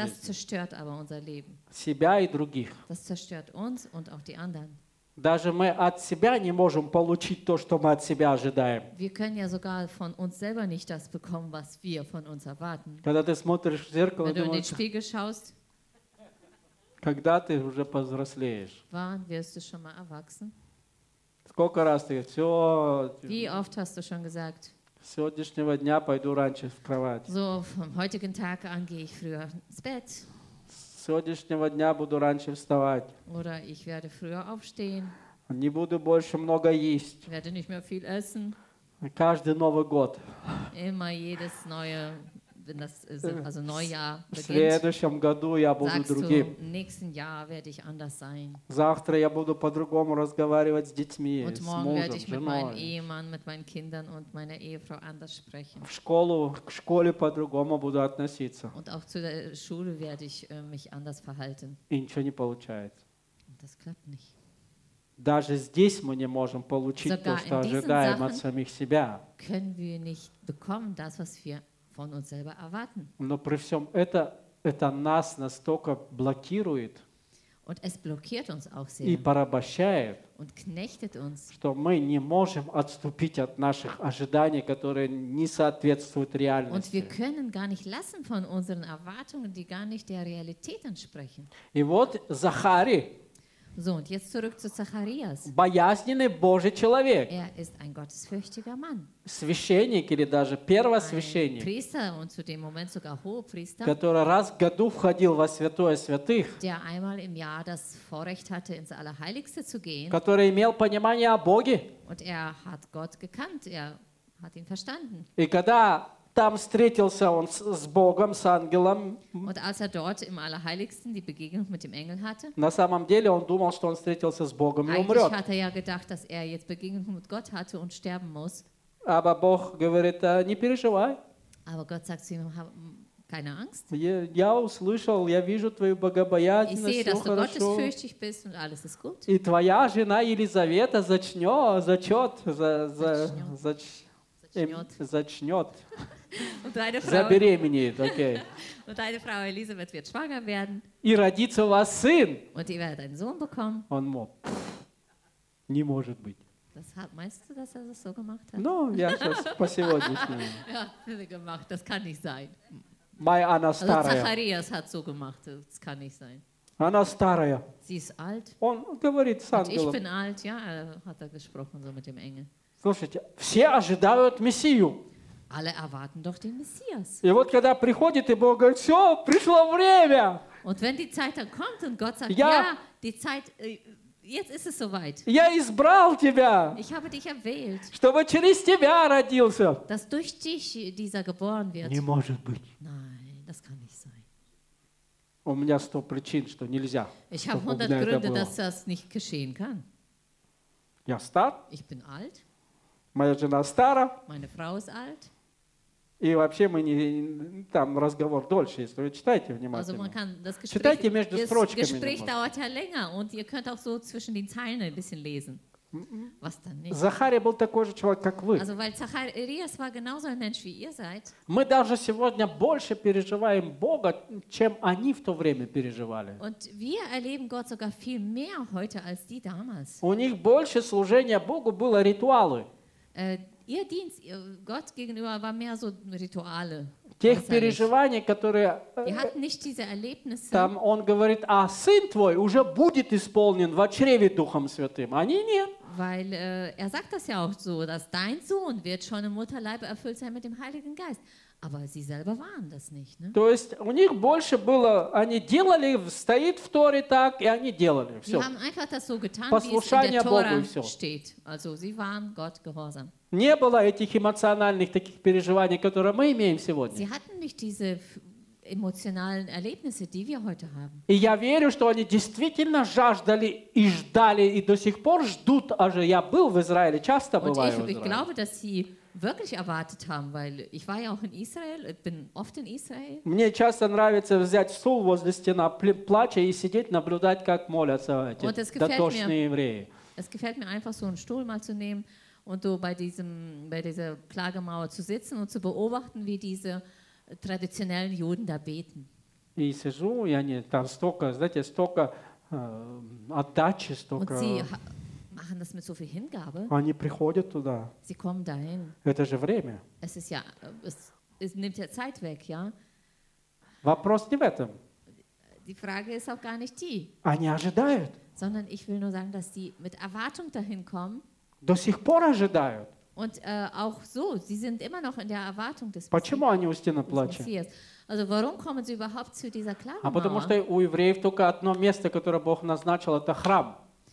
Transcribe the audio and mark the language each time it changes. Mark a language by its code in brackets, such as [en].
[de] Und das zerstört aber unser Leben. [ru] Себя и других. [de] Das zerstört uns und auch die anderen. [ru] Даже мы от себя не можем получить то, что мы от себя ожидаем. [de] Wir können ja sogar von uns selber nicht das bekommen, was wir von uns erwarten. [ru] Когда ты смотришь в зеркало, [de] Wenn du [ru] думаешь, [de] in den Spiegel schaust, [ru] когда ты уже повзрослеешь. [de] Wann wirst du schon mal erwachsen? [ru] Сколько раз ты все... [de] Wie oft hast du schon gesagt? [ru] С сегодняшнего дня пойду раньше в кровать. [de] So, vom heutigen Tag an gehe ich früher ins Bett. [ru] С сегодняшнего дня буду раньше вставать. [de] Oder ich werde früher aufstehen. [ru] Не буду больше много есть. [de] Ich werde nicht mehr viel essen. [ru] Каждый Новый год. [de] Immer jedes neue, wenn das also Neujahr beginnt. [ru] В следующем году я буду другим. [de] Sagst du, nächsten Jahr werde ich anders sein. [ru] Завтра я буду по-другому разговаривать с детьми, с мужем, женой. [de] Und morgen werde ich mit meinem Ehemann, mit meinen Kindern und meiner Ehefrau anders sprechen. [ru] В школу, к школе по-другому буду относиться. [de] Und auch zu der Schule werde ich mich anders verhalten. [ru] И ничего не получается. [de] Das klappt nicht. [ru] Даже здесь мы не можем получить [de] Sogar [ru] то, что ожидаем от самих себя. [de] Können wir nicht bekommen das, was wir von uns selber erwarten. [ru] Но при всем это нас настолько блокирует [de] Und es blockiert uns auch sehr. [ru] И порабощает, [de] Und knechtet uns. [ru] Что мы не можем отступить от наших ожиданий, которые не соответствуют реальности. [de] Und wir können gar nicht lassen von unseren Erwartungen, die gar nicht der Realität entsprechen. [ru] И вот Захарий [de] So, und jetzt zurück zu Zacharias. [ru] Боязненный Божий человек. [de] Er ist ein gottesfürchtiger Mann. [ru] Священник или даже первосвященник. [de] Priester, und zu dem Moment sogar Hohepriester. [ru] Который раз в году входил во святое святых. [de] Der einmal im Jahr das Vorrecht hatte, ins Allerheiligste zu gehen. [ru] Который имел понимание о Боге. [de] Und er hat Gott gekannt, er hat ihn verstanden. [ru] И когда там встретился он с Богом, с ангелом. [de] Und als er dort im Allerheiligsten die Begegnung mit dem Engel hatte, [ru] на самом деле он думал, что он встретился с Богом и умрет. [de] Eigentlich hat er ja gedacht, dass er jetzt Begegnung mit Gott hatte und sterben muss. Aber [ru] Бог говорит, не переживай. [de] Aber Gott sagt zu ihm, keine Angst. [ru] Я услышал, я вижу твою богобоязненность, все хорошо. [de] Ich sehe, dass du gottesfürchtig bist und alles ist gut. [ru] И твоя жена Елизавета зачнет, зачнет. Забеременеет, окей. [de] Und deine Frau Elisabeth wird schwanger werden. [ru] И родится у вас сын. [de] Und ihr werdet einen Sohn bekommen. [ru] Он мог. Не может быть. [de] Das hat, meinst du, dass er das so gemacht hat? [ru] Ну, я сейчас по сегодняшнему. [de] Ja, das hat gemacht, das kann nicht sein. [ru] Моя, она старая. [de] Also, Zacharias hat so gemacht, das kann nicht sein. [ru] Она старая. [de] Sie ist alt. [ru] Он говорит с ангелом. [de] Und ich bin alt, ja, hat er gesprochen so mit dem Engel. [ru] Слушайте, все ожидают Мессию. [de] Alle erwarten doch den Messias. [ru] И вот когда приходит, и Бог говорит, все, пришло время. [de] Und wenn die Zeit dann kommt und Gott sagt, die Zeit, jetzt ist es soweit. [ru] Я избрал тебя. [de] Ich habe dich erwählt. [ru] Чтобы через тебя родился. [de] Dass durch dich dieser geboren wird. [ru] Не может быть. [de] Nein, das kann nicht sein. [ru] У меня 100 причин, что нельзя. [de] Ich habe 100 Gründe, dass das nicht geschehen kann. [ru] Я стар. [de] Ich bin alt. [ru] Моя жена стара. [de] Meine Frau ist alt. [ru] И вообще мы не там разговор дольше, если вы читаете внимательно. [de] Also man kann das Gespräch, [ru] читайте между строчками. [de] Das Gespräch dauert ja länger und ihr könnt auch so zwischen den Zeilen ein bisschen lesen. Was dann nicht. [ru] Захария был такой же человек, как вы. [de] Also weil Zacharias war genauso ein Mensch wie ihr seid. [ru] Мы даже сегодня больше переживаем Бога, чем они в то время переживали. [de] Und wir erleben Gott sogar viel mehr heute als die damals. [ru] У них больше служения Богу было ритуалы. [de] Ihr Dienst Gott gegenüber war mehr so Rituale. [ru] Тех переживаний, которые. [de] Die hatten nicht diese Erlebnisse. [ru] Там он говорит, а сын твой уже будет исполнен в чреве Духом Святым. Они нет. [de] Weil er sagt das ja auch so, dass dein Sohn wird schon im Mutterleib erfüllt sein mit dem Heiligen Geist. Aber sie selber waren das nicht. Ne? [ru] То есть у них больше было, они делали, стоит в Торе так, и они делали. Все. [de] Sie haben einfach das so getan, [ru] послушание [de] wie es in der Tora steht. Also sie waren Gott gehorsam. [ru] Не было этих эмоциональных таких переживаний, которые мы имеем сегодня. [de] Sie hatten nicht diese emotionalen Erlebnisse, die wir heute haben. [ru] И я верю, что они действительно жаждали и ждали, и до сих пор ждут. Аж я был в Израиле, часто бываю в Израиле. [de] Ich glaube, dass sie wirklich erwartet haben, weil ich war ja auch in Israel, ich bin oft in Israel. [ru] Мне часто нравится взять стул возле стены плача и сидеть наблюдать, как молятся эти дотошные евреи. [de] Es gefällt mir einfach, so einen Stuhl mal zu nehmen und so bei dieser Klagemauer zu sitzen und zu beobachten, wie diese traditionellen Juden da beten. [ru] И сижу, и они там столько, знаете, столько отдачи, столько. [de] Machen das mit so viel Hingabe. [ru] Они приходят туда. [de] Sie kommen dahin. [ru] Это же время. [de] Es ist ja, es nimmt ja Zeit weg, ja? [ru] Вопрос не в этом. [de] Die Frage ist auch gar nicht die. [ru] Они ожидают. [de] Sondern ich will nur sagen, dass sie mit Erwartung dahin kommen. [ru] До сих пор ожидают. [de] Und auch so, sie sind immer noch in der Erwartung des Messias. Also warum kommen sie überhaupt zu dieser Klagemauer? [ru] А потому что у евреев только одно место, которое Бог назначил, это храм.